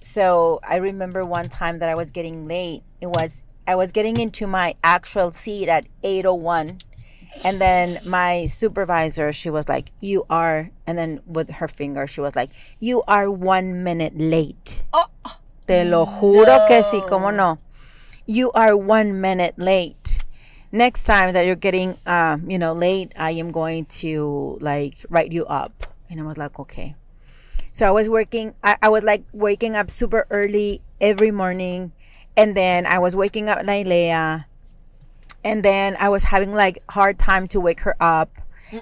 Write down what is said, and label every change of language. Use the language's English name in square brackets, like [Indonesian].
[English] So I remember one time that I was getting late. I was getting into my actual seat at 8:01. And then my supervisor, she was like, you are, and then with her finger, she was like, you are 1 minute late. Oh, [Spanish] te lo juro, no, que sí, cómo no. [English] You are 1 minute late. Next time that you're getting, you know, late, I am going to, like, write you up. And I was like, okay. So I was working, I was, like, waking up super early every morning. And then I was waking up Nailea. And then I was having, like, hard time to wake her up. Mm-mm.